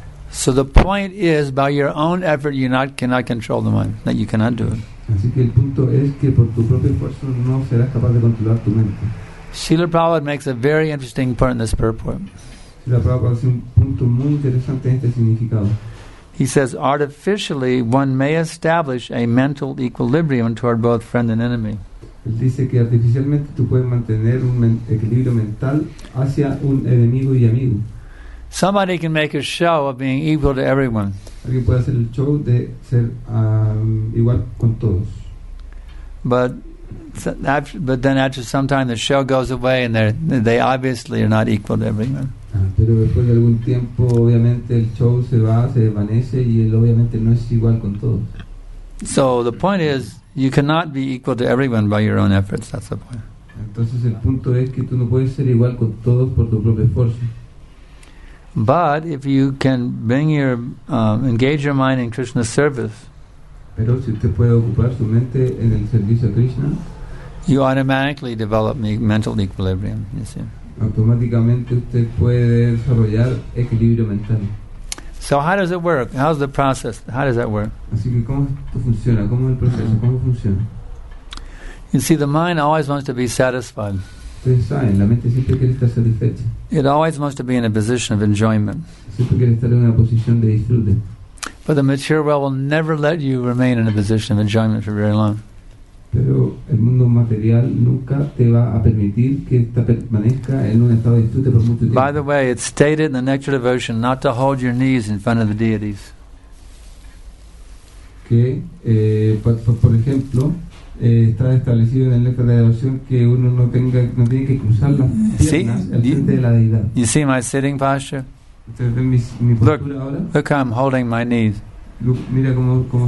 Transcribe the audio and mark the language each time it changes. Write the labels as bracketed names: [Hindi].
[English] So the point is, by your own effort, you cannot control the mind. That you cannot do it. [Spanish] Así que el punto es que por tu propio esfuerzo no serás capaz de controlar tu mente. [English] Srila Prabhupada makes a very interesting point in this purport. [Spanish] Srila Prabhupada hace un punto muy interesante en este significado. [English] He says, artificially one may establish a mental equilibrium toward both friend and enemy. [Spanish] Él dice que artificialmente tú puedes mantener un equilibrio mental hacia un enemigo y amigo. [English] Somebody can make a show of being equal to everyone. [Spanish] Alguien puede hacer el show de ser igual con todos. [English] But then after some time the show goes away and they obviously are not equal to everyone. [Spanish] Pero después de algún tiempo obviamente el show se va, se desvanece y él obviamente no es igual con todos. [English] So the point is, you cannot be equal to everyone by your own efforts. That's the point. [Spanish] Entonces el punto es que tú no puedes ser igual con todos por tu propio esfuerzo. [English] But if you can bring your engage your mind in Krishna's service, [Spanish] pero si usted puede ocupar su mente en el servicio a Krishna, [English] you automatically develop mental equilibrium. You see. [Spanish] Automáticamente usted puede desarrollar equilibrio mental. [English] So how does it work? How's the process? How does that work? [Spanish] Así que cómo funciona, cómo el proceso, cómo funciona. [English] You see, the mind always wants to be satisfied. [Spanish] La mente siempre quiere estar satisfecha. [English] It always wants to be in a position of enjoyment. [Spanish] Siempre quiere estar en una posición de disfrute. [English] But the material world will never let you remain in a position of enjoyment for very long. [Spanish] Pero el mundo material nunca te va a permitir que permanezca en un estado de disfrute por mucho tiempo. [English] By the way, it's stated in the Nectar Devotion not to hold your knees in front of the deities. [Spanish] Que, por ejemplo, está establecido en el Nectar de Devoción que uno no tiene que cruzar las piernas al frente de la deidad. [English] You see my sitting posture? Look how I'm holding my knees. Look, [Spanish] mira cómo